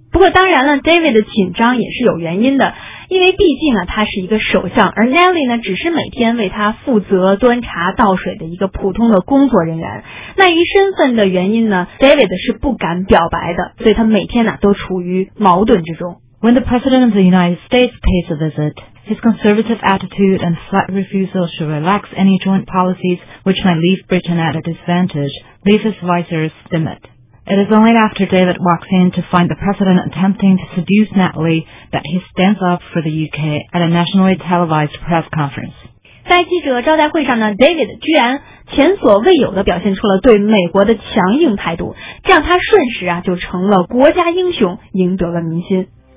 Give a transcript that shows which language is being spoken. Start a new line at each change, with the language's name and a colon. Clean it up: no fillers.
Chinese: 不过当然了 ，David 的紧张也是有原因的，因为毕竟啊，他是一个首相，而 Nelly 呢，只是每天为他负责端茶倒水的一个普通的工作人员。那一身份的原因呢 ，David 是不敢表白的，所以他每天呢、啊、都处于矛盾之中。
English: When the President of the United States pays a visit, his conservative attitude and flat refusal to relax any joint policies which might leave Britain at a disadvantage leaves his visors timid. It is only after David walks in to find the President attempting to seduce Natalie that he stands up for the UK at a nationally televised press conference.
Chinese: 在记者招待会上呢 ，David 居然前所未有的表现出了对美国的强硬态度，这样他瞬时啊就成了国家英雄，赢得了民心。